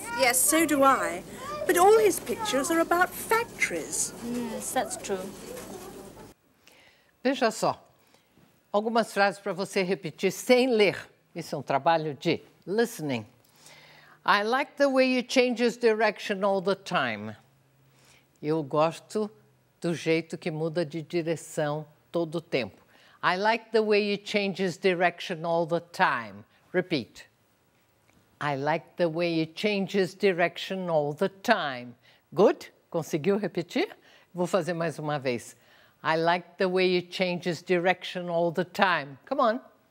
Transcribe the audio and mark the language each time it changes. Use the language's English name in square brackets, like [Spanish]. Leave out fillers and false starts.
[English] Yes, so do I. But all his pictures are about factories. Yes, that's true. [Portuguese] Veja só. Algumas frases para você repetir sem ler. Isso é trabalho de listening. [English] I like the way he changes direction all the time. [Portuguese] Eu gosto do jeito que muda de direção todo o tempo. [English] I like the way he changes direction all the time. Repeat. I like the way he changes direction all the time. Good? [Portuguese] Conseguiu repetir? Vou fazer mais uma vez. [English] I like the way he changes direction all the time. Come on.